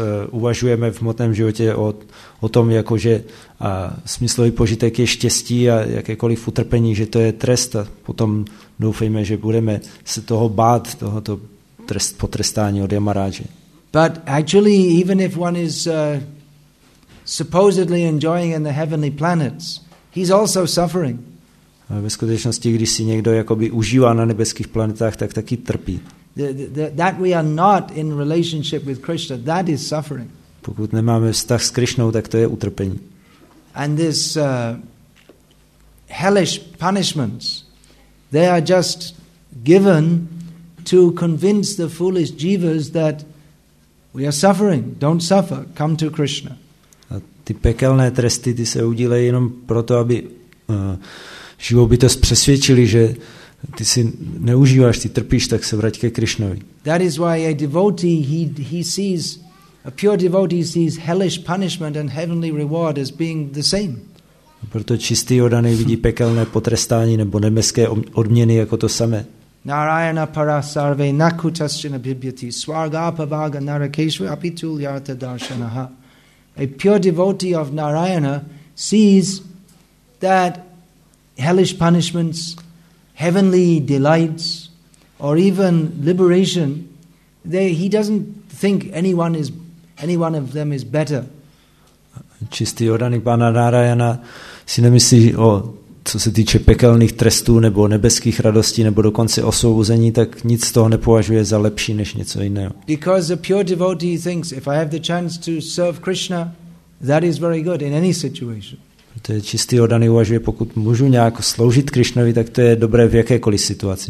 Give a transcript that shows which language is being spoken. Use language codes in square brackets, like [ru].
[cs] Uvažujeme v hmotném životě o tom, jakože smyslový požitek je štěstí a jakékoliv utrpení, že to je trest a potom doufejme, že budeme se toho bát, tohoto potrestání od Yamaráže. [en] But actually, even if one is supposedly enjoying in the heavenly planets, he's also suffering. [cs] A ve skutečnosti, když si někdo jakoby užívá na nebeských planetách, tak taky trpí. [en] That we are not in relationship with Krishna, that is suffering. [cs] Pokud nemáme vztah s Krishnou, tak to je utrpení. [en] And this hellish punishments, they are just given to convince the foolish jivas that we are suffering, don't suffer, come to Krishna. [cs] A ty pekelné tresty, ty se udílejí jenom proto, aby živobytost přesvědčili, že ty si neužíváš, ty trpíš, tak se vrať ke Krišnovi. [en] That is why a devotee, he sees, a pure devotee sees hellish punishment and heavenly reward as being the same. [cs] A proto čistý oddaný vidí pekelné potrestání nebo nebeské odměny jako to samé. [sa] Narayana para sarve nakutaschina bibhyati swarga pavaga narakeshu apitul yata darshanaha. [en] A pure devotee of Narayana sees that hellish punishments, heavenly delights, or even liberation, he doesn't think any one of them is better. [cs] Čistý oddaný pana Narayana si nemyslí o co se týče pekelných trestů nebo nebeských radostí nebo dokonce osvobození, tak nic z toho nepovažuje za lepší než něco jiného. [en] Because a pure devotee thinks if I have the chance to serve Krishna, that is very good in any situation. [cs] Protože čistý oddaný uvažuje, pokud můžu nějak sloužit Krišnovi, tak to je dobré v jakékoliv situaci.